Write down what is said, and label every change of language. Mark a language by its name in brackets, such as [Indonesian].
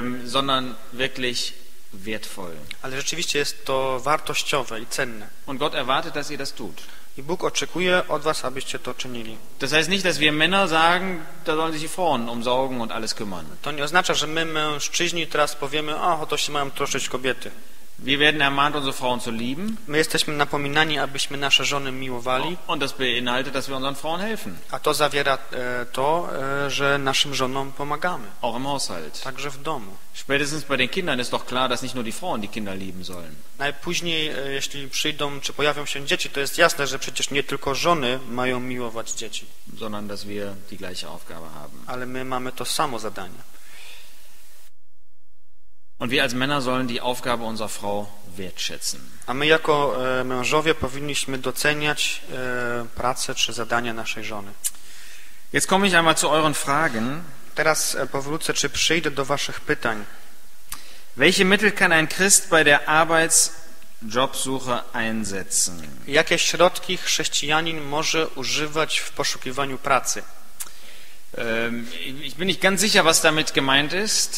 [German] Sondern wirklich wertvoll. [Polish] Ale rzeczywiście jest to wartościowe i cenne. [German] Und Gott erwartet, dass ihr das tut. [Polish] I Bóg oczekuje od was, abyście to czynili. [German] Das heißt nicht, dass wir Männer sagen, da sollen sich die Frauen umsorgen und alles kümmern. [Polish] To nie oznacza, że my mężczyźni teraz powiemy, to się mają troszczyć kobiety. [German] Wir werden ermahnt, unsere Frauen zu lieben. [Polish] My jesteśmy napominani, abyśmy nasze żony miłowali. [German] Und das beinhaltet, dass wir unseren Frauen helfen. [Polish] A to zawiera to, że naszym żonom pomagamy. [German] Auch im Haushalt. [Polish] Także w domu. [German] Spätestens bei den Kindern ist doch klar, dass nicht nur die Frauen die Kinder lieben sollen. [Polish] Najpóźniej, jeśli przyjdą czy pojawią się dzieci, to jest jasne, że przecież nie tylko żony mają miłować dzieci. [German] Sondern, dass wir die gleiche Aufgabe haben. [Polish] Ale my mamy to samo zadanie. [German] Und wir als Männer sollen die Aufgabe unserer Frau wertschätzen. [Polish] A my jako mężowie powinniśmy doceniać pracę czy zadania naszej żony. [German] Jetzt komme ich einmal zu euren Fragen. [Polish] Teraz powrócę czy przyjdę do waszych pytań. [German] Welche Mittel kann ein Christ bei der Arbeitsjobsuche einsetzen? [Polish] Jakie środki chrześcijanin może używać w poszukiwaniu pracy? [German] Ich bin nicht ganz sicher, was damit gemeint ist.